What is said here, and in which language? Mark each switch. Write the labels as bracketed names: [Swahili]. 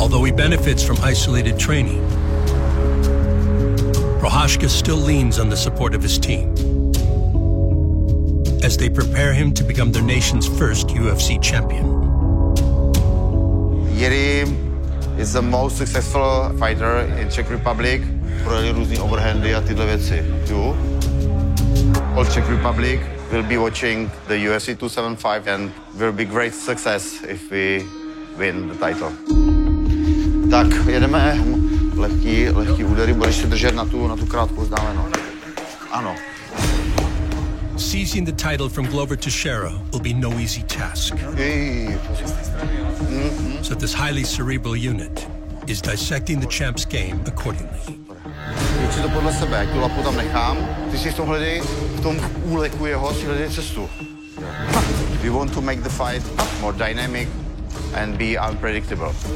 [English] Although he benefits from isolated training, Prochazka still leans on the support of his team as they prepare him to become their nation's first UFC champion. Jiří is the most successful fighter in Czech Republic. [Czech] Prohráli různé overhandy a tyhle věci. Jo. [English] All Czech Republic will be watching the UFC 275 and will be great success if we win the title. [Czech] Tak, jedeme. Lehký údery, budeš se držet na tu krátkou vzdálenost. Ano. [English] Seizing the title from Glover Teixeira will be no easy task. So this highly cerebral unit is dissecting the champ's game accordingly. [Czech] Jdu podle sebe, tu lapu tam nechám. Ty si hledej v tom úleku jeho, si hledej cestu. [English] We want to make the fight more dynamic and be unpredictable.